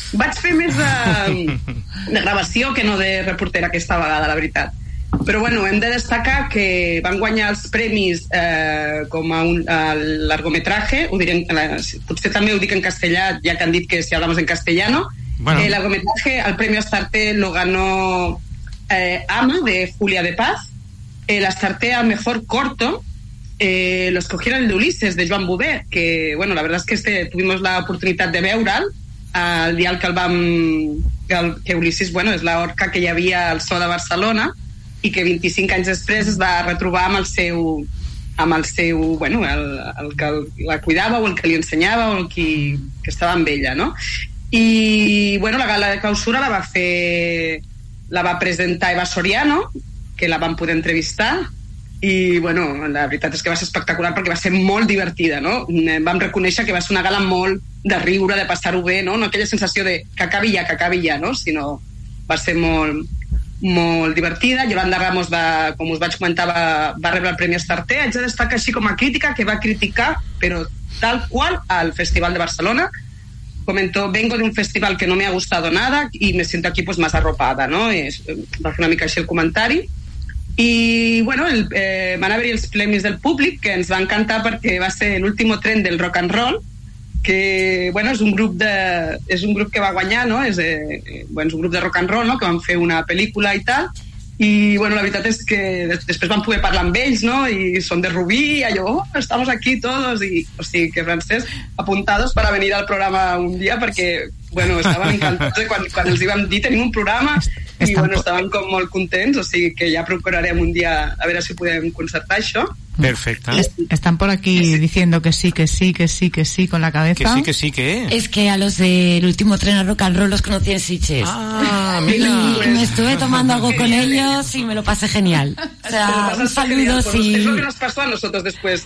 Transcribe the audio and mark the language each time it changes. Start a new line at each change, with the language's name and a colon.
Catalan: Vaig fer més de gravació que no de reportera aquesta vegada, la veritat. Però bueno, hem de destacar que van guanyar els premis com a un largometraje, ho diré, potser també ho dic en castellà, ja que han dit que
Spanish: si hablamos en castellano,
Catalan: bueno.
Spanish: El largometraje, el premio Astarte lo ganó Ama, de Julia de Paz, el Astarte a mejor corto, lo escogieron el de Ulises, de Joan Bové, que bueno, la verdad es que este tuvimos la oportunidad de
Catalan: veure'l el dia que el vam... que Ulises, bueno, és la orca que hi havia al Zoo de Barcelona, i que 25 anys després es va retrobar amb el seu, bueno, el que la cuidava o el que li ensenyava o el que estava amb ella, no? I bueno, la gala de clausura la va fer, la va presentar Eva Soriano, que la van poder entrevistar, i bueno, la veritat és que va ser espectacular perquè va ser molt divertida, no? Vam reconèixer que va ser una gala molt de riure, de passar-ho bé, no? No aquella sensació de que acabi ja, no? Sinó va ser molt... molt divertida. Yolanda Ramos va, com us vaig comentar, va rebre el Premi Astarte. Haig de destacar així com a crítica que va criticar, però tal qual, al Festival de Barcelona.
Spanish: Comentó, vengo de un festival que no me ha gustado nada y me siento aquí pues más arropada, no?
Catalan: Va fer una mica així el comentari. I bueno, van haver-hi els premis del públic, que ens va encantar perquè va ser l'últim tren del rock and roll, que bueno, és un grup que va guanyar, no? És un grup de rock and roll, no? Que van fer una pel·lícula i tal, i bueno, la veritat és que després van poder parlar amb ells, no? I són de Rubí, i allò, oh,
Spanish: estamos aquí todos,
Catalan: i o sigui, que Francesc,
Spanish: apuntados para venir al programa
Catalan: un dia, perquè, bueno, estaven encantats quan els hi vam dir, tenim un programa, i bueno, estaven com molt contents, o sigui, que ja procurarem un dia a veure si podem concertar això. Perfecta.
Spanish: Están por aquí diciendo que sí, que sí, que sí, que sí, con la cabeza. Que sí, que sí, que es. Que a los del último tren a Rock and Roll los conocí en Sitges. Ah, mira. Y me estuve tomando algo con ellos y me lo pasé genial. O sea, un saludo, genial. Sí. Es lo que nos pasó a nosotros después.